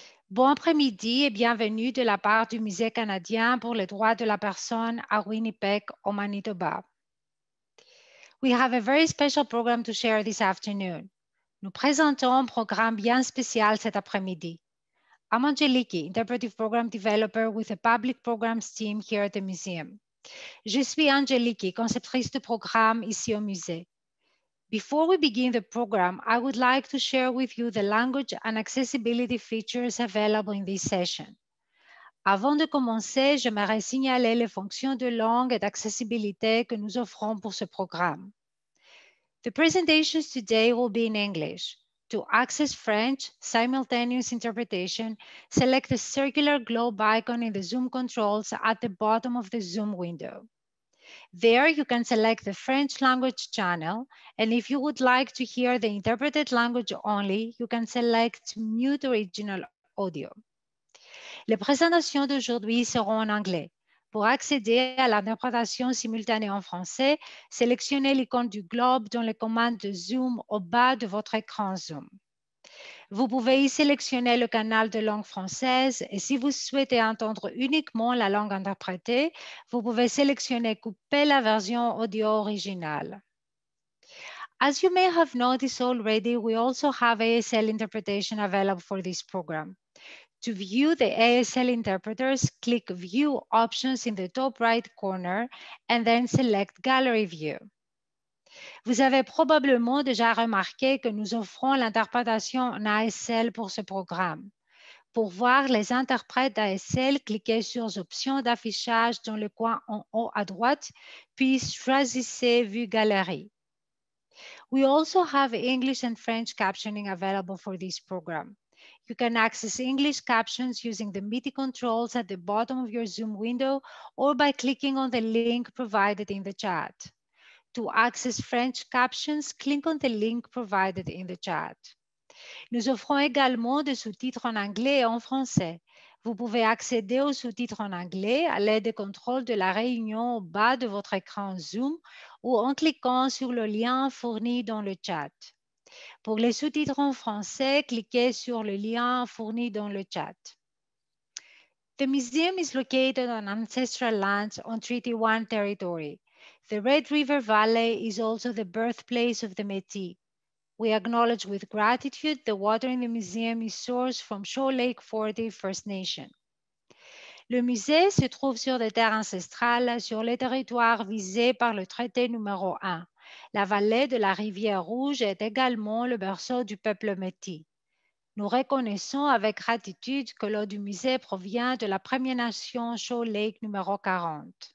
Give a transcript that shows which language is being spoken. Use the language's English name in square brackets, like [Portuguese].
[French] Bon après-midi et bienvenue de la part du Musée canadien pour les droits de la personne à Winnipeg, au Manitoba. [English] We have a very special program to share this afternoon. [French] Nous présentons un programme bien spécial cet après-midi. [English] I'm Angeliki, interpretive program developer with the public programs team here at the museum. [French] Je suis Angeliki, conceptrice de programme ici au musée. [English] Before we begin the program, I would like to share with you the language and accessibility features available in this session. [French] Avant de commencer, j'aimerais signaler les fonctions de langue et d'accessibilité que nous offrons pour ce programme. [English] The presentations today will be in English. To access French simultaneous interpretation, select the circular globe icon in the Zoom controls at the bottom of the Zoom window. There, you can select the French language channel, and if you would like to hear the interpreted language only, you can select mute original audio. [French] Les présentations d'aujourd'hui seront en anglais. Pour accéder à l'interprétation simultanée en français, sélectionnez l'icône du globe dans les commandes de Zoom au bas de votre écran Zoom. Vous pouvez y sélectionner le canal de langue française et si vous souhaitez entendre uniquement la langue interprétée, vous pouvez sélectionner couper la version audio originale. [English] As you may have noticed already, we also have ASL interpretation available for this program. To view the ASL interpreters, click View Options in the top right corner and then select Gallery View. [French] Vous avez probablement déjà remarqué que nous offrons l'interprétation en ASL pour ce programme. Pour voir les interprètes d'ASL, cliquez sur Options d'affichage dans le coin en haut à droite, puis choisissez Vue Galerie. [English] We also have English and French captioning available for this program. You can access English captions using the MIDI controls at the bottom of your Zoom window or by clicking on the link provided in the chat. To access French captions, click on the link provided in the chat. [French] Nous offrons également des sous-titres en anglais et en français. Vous pouvez accéder aux sous-titres en anglais à l'aide des contrôles de la réunion au bas de votre écran Zoom ou en cliquant sur le lien fourni dans le chat. Pour les sous-titres en français, cliquez sur le lien fourni dans le chat. [English] The museum is located on ancestral lands on Treaty 1 territory. The Red River Valley is also the birthplace of the Métis. We acknowledge with gratitude the water in the museum is sourced from Shaw Lake 40 First Nation. [French] Le musée se trouve sur des terres ancestrales sur les territoires visés par le traité numéro 1. La vallée de la rivière Rouge est également le berceau du peuple Métis. Nous reconnaissons avec gratitude que l'eau du musée provient de la première nation Shaw Lake numéro 40.